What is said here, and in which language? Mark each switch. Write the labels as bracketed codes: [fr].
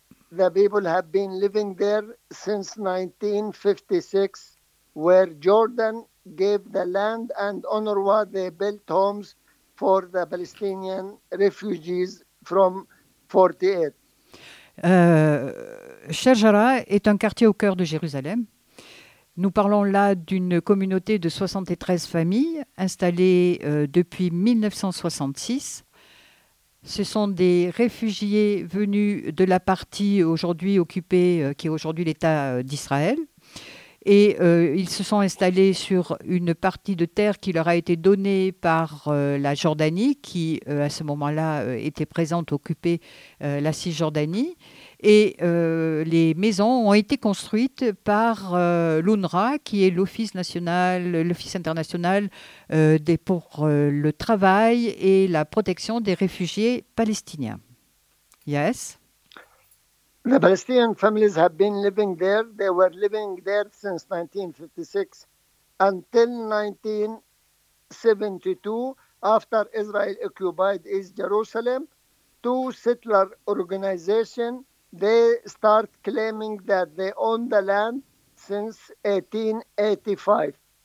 [en] The people have been living there since 1956, where Jordan gave the land and UNRWA, they built homes for the Palestinian refugees from 48. [fr] Sharjarah est un quartier au cœur de Jérusalem. Nous parlons là d'une communauté de 73 familles installées depuis 1966. Ce sont des réfugiés venus de la partie aujourd'hui occupée, qui est aujourd'hui l'État d'Israël. Et ils se sont installés sur une partie de terre qui leur a été donnée par la Jordanie, qui à ce moment-là était présente, occupée la Cisjordanie. Et les maisons ont été construites par l'UNRWA, qui est l'Office international pour le travail et la protection des réfugiés palestiniens. [en] Yes. The Palestinian families have been living there. They were living there since 1956 until 1972, after Israel occupied East Jerusalem. Two settler organizations, they start claiming that they own the land since 1885.